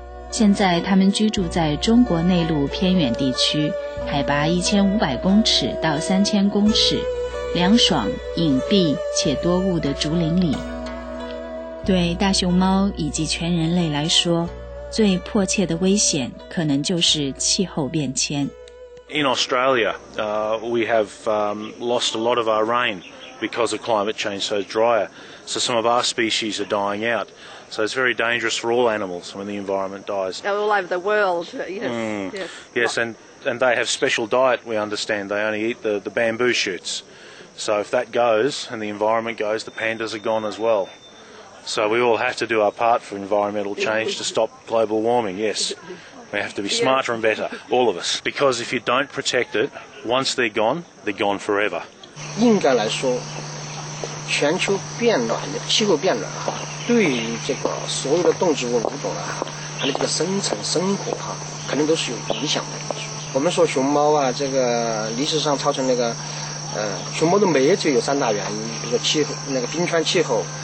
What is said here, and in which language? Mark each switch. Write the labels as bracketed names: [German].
[Chinese] 现在它们居住在中国内陆偏远地区，海拔1500公尺到3000公尺，凉爽、隐蔽且多雾的竹林里。对大熊猫以及全人类来说，最迫切的危险可能就是气候变迁。 [English] In Australia, we have lost a lot of our rain because of climate change, so drier. So some of our species are dying out. So it's very dangerous for all animals when the environment dies. All over the world, yes. Mm. Yes, and they have special diet, we understand. They only eat the bamboo shoots. So if that goes and the environment goes, the pandas are gone as well. So we all have to do our part for environmental change to stop global warming, yes. We have to be smarter and better, all of us. Because if you don't protect it, once they're gone forever. [Chinese] 应该来说，全球变暖的气候变暖哈，对于这个所有的动植物物种啊，它的这个生存生活哈，肯定都是有影响的。我们说熊猫啊，这个历史上造成那个，熊猫的灭绝有三大原因，比如说气候，那个冰川气候。